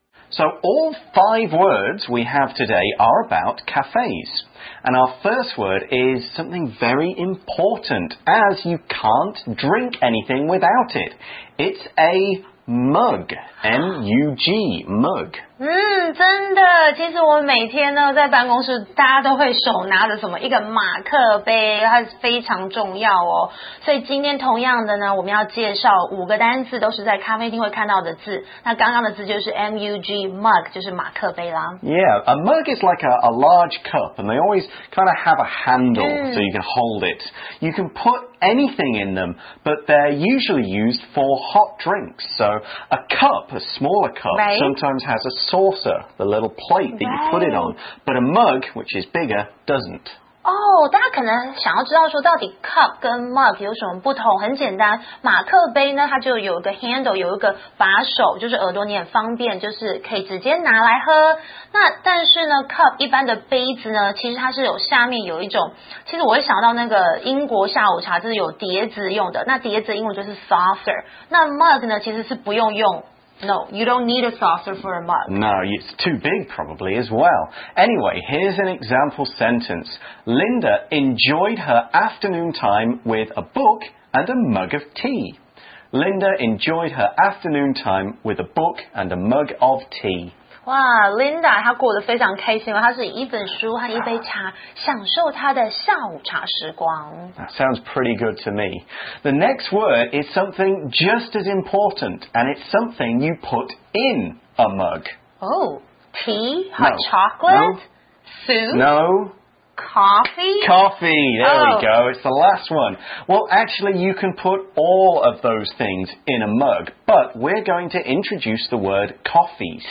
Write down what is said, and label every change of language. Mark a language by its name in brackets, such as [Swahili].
[English] So all five words we have today are about cafes. And our first word is something very important, as you can't drink anything without it. It's a mug, M-U-G, mug. [Chinese] 真的，其实我每天呢在办公室大家都会手拿着什么一个马克杯，它是非常重要哦。所以今天同样的呢，我们要介绍五个单字，都是在咖啡厅会看到的字。那刚刚的字就是 M-U-G, mug, 就是马克杯啦。 [English] Yeah, a mug is like a large cup, and they always kind of have a handle,、mm. so you can hold it. You can put anything in them, but they're usually used for hot drinks. So a cup, a smaller cup,、 right. sometimes has a saucer, the little plate that、 right. you put it on. But a mug, which is bigger, doesn't. [Chinese] 大家可能想要知道说到底 cup 跟 mug 有什么不同，很简单，马克杯呢它就有一个 handle, 有一个把手，就是耳朵你很方便，就是可以直接拿来喝。那但是呢 cup 一般的杯子呢，其实它是有下面有一种，其实我会想到那个英国下午茶，就是有碟子用的，那碟子英文就是 saucer, 那 mug 呢其实是不用用。 [English] No, you don't need a saucer for a mug. No, it's too big probably as well. Anyway, here's an example sentence. Linda enjoyed her afternoon time with a book and a mug of tea. Linda enjoyed her afternoon time with a book and a mug of tea. [Chinese] 哇 ,Linda, 她过得非常开心她是一本书和一杯茶享受她的下午茶时光。 [English] That sounds pretty good to me. The next word is something just as important, and it's something you put in a mug. Oh, tea? Hot chocolate? No. Soup? No. Coffee? There we go. It's the last one. Well, actually, you can put all of those things in a mug, but we're going to introduce the word coffee.